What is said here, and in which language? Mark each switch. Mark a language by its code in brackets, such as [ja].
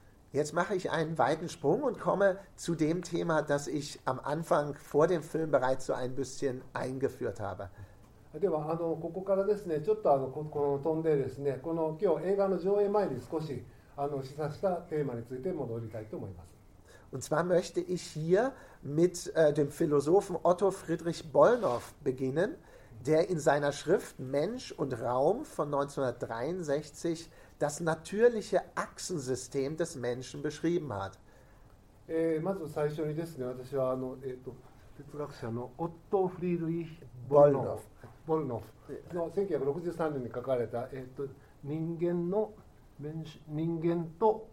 [de] Jetzt mache ich einen weiten Sprung und komme zu dem Thema, das ich am Anfang vor dem Film bereits so ein bisschen eingeführt habe. [ja] ではあのここからですね、ちょっとあのこの飛んでですね、この今日映画の上映前に少しあの示唆したテーマについて戻りたいと思います。 [de] Und zwar möchte ich hier mit dem Philosophen Otto Friedrich Bollnow beginnen, der in seiner Schrift Mensch und Raum von 1963 das natürliche Achsensystem des Menschen beschrieben hat. [ja] まず最初にですね、私は哲学者のオットー・フリードリヒ・ボルノフの1963年に書かれた、人間の人間と、